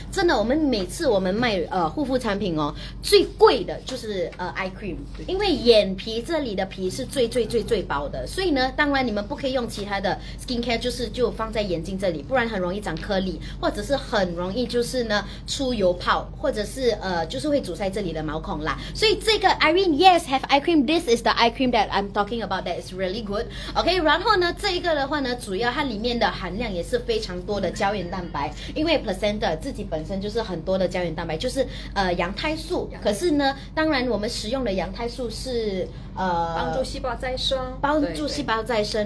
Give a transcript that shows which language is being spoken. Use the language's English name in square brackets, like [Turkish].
[Chinese] 真的我们每次我们卖护肤产品哦，最贵的就是 [English] eye cream， [Chinese] 因为眼皮这里的皮是最薄的，所以呢当然你们不可以用其他的 [English] skin care [Chinese] 就放在眼睛这里，不然很容易长颗粒，或者是很容易就是呢出油泡，或者是就是会阻塞这里的毛孔啦。所以这个 [English] Irene yes have eye cream， this is the eye cream that I'm talking about that is really good OK。 [Chinese] 然后呢这一个的话呢主要它里面的含量也是非常多的胶原蛋白，因为 placenta 自己本身就是很多的胶原蛋白，就是羊胎素，可是呢当然我们使用的羊胎素是帮助细胞再生，帮助细胞再生，